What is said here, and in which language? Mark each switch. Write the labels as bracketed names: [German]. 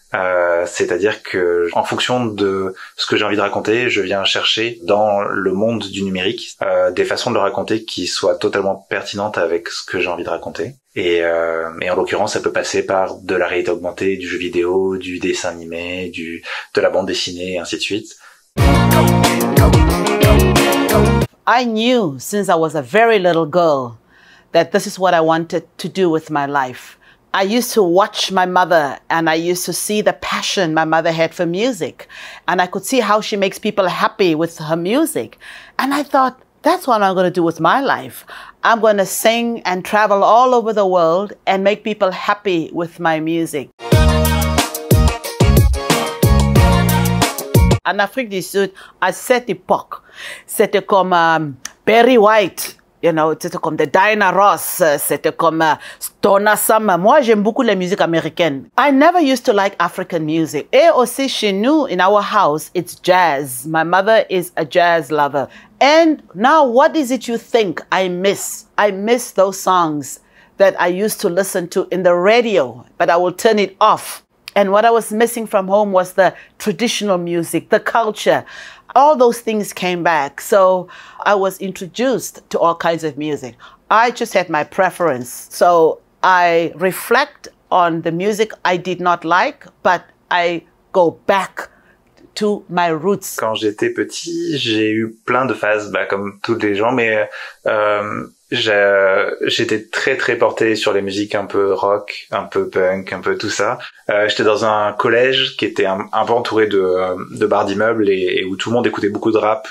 [French] C'est-à-dire que, en fonction de ce que j'ai envie de raconter, je viens chercher dans le monde du numérique des façons de le raconter qui soient totalement pertinentes avec ce que j'ai envie de raconter. Et en l'occurrence, ça peut passer par de la réalité augmentée, du jeu vidéo, du dessin animé, de la bande dessinée, et ainsi de suite. [English] I knew since I was a very little girl that this is what I wanted to do with my life. I used to watch my mother and I used to see the passion my mother had for music. And I could see how she makes people happy with her music. And I thought, that's what I'm going to do with my life. I'm going to sing and travel all over the world and make people happy with my music. [French] En Afrique du Sud, à cette époque, c'était comme Barry White. [English] You know, [French] c'était comme the Diana Ross, c'était comme Donna Summer. Moi, j'aime beaucoup la musique américaine. [English] I never used to like African music. [French] Et aussi chez nous, [English] in our house, it's jazz. My mother is a jazz lover. And now, what is it you think I miss? I miss those songs that I used to listen to in the radio, but I will turn it off. And what I was missing from home was the traditional music, the culture. All those things came back. So I was introduced to all kinds of music. I just had my preference. So I reflect on the music I did not like, but I go back to my roots. [French] Quand j'étais petit, j'ai eu plein de phases, bah, comme tous les gens, mais j'étais très très porté sur les musiques un peu rock, un peu punk, un peu tout ça. J'étais dans un collège qui était un peu entouré de barres d'immeubles et où tout le monde écoutait beaucoup de rap.